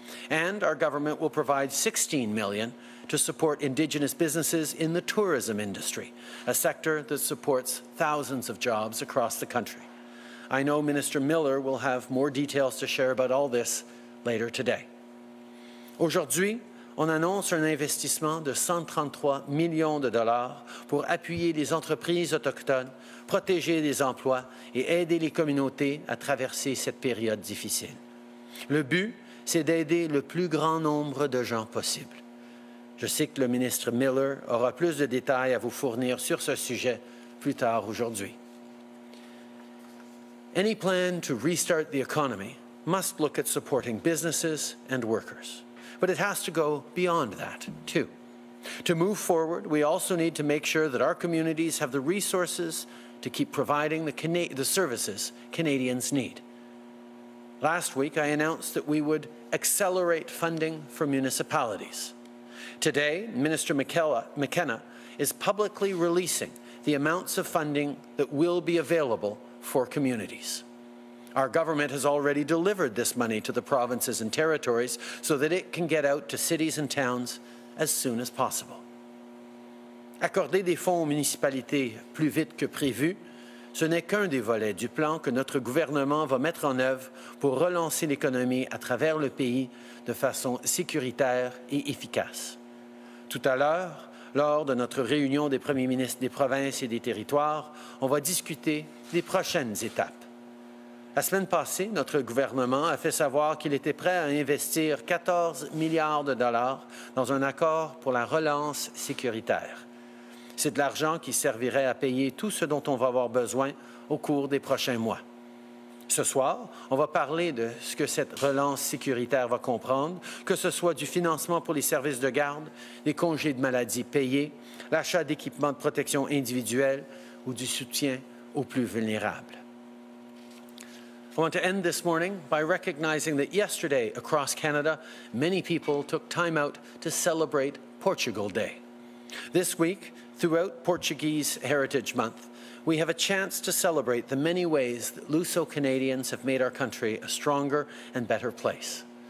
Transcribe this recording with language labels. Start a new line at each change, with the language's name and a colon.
English: And our government will provide $16 million to support Indigenous businesses in the tourism industry, a sector that supports thousands of jobs across the country. I know Minister Miller will have more details to share about all this later today.
French: Aujourd'hui, on annonce un investissement de 133 millions de dollars pour appuyer les entreprises autochtones, protéger les emplois et aider les communautés à traverser cette période difficile. Le but, c'est d'aider le plus grand nombre de gens possible. Je sais que le ministre Miller aura plus de détails à vous fournir sur ce sujet plus tard aujourd'hui. Any plan to restart the economy must look at supporting businesses and workers. But it has to go beyond that, too. To move forward, we also need to make sure that our communities have the resources to keep providing the services Canadians need. Last week, I announced that we would accelerate funding for municipalities. Today, Minister McKenna is publicly releasing the amounts of funding that will be available for communities. Our government has already delivered this money to the provinces and territories so that it can get out to cities and towns as soon as possible. Accorder des fonds aux municipalités plus vite que prévu, ce n'est qu'un des volets du plan que notre gouvernement va mettre en œuvre pour relancer l'économie à travers le pays de façon sécuritaire et efficace. Tout à l'heure, lors de notre réunion des premiers ministres des provinces et des territoires, on va discuter des prochaines étapes. La semaine passée, notre gouvernement a fait savoir qu'il était prêt à investir 14 milliards de dollars dans un accord pour la relance sécuritaire. C'est de l'argent qui servirait à payer tout ce dont on va avoir besoin au cours des prochains mois. Ce soir, on va parler de ce que cette relance sécuritaire va comprendre, que ce soit du financement pour les services de garde, les congés de maladie payés, l'achat d'équipements de protection individuelle ou du soutien aux plus vulnérables.
English: I want to end this morning by recognizing that yesterday across Canada, many people took time out to celebrate Portugal Day. This week, throughout Portuguese Heritage Month, we have a chance to celebrate the many ways that Luso Canadians have made our country a stronger and better place.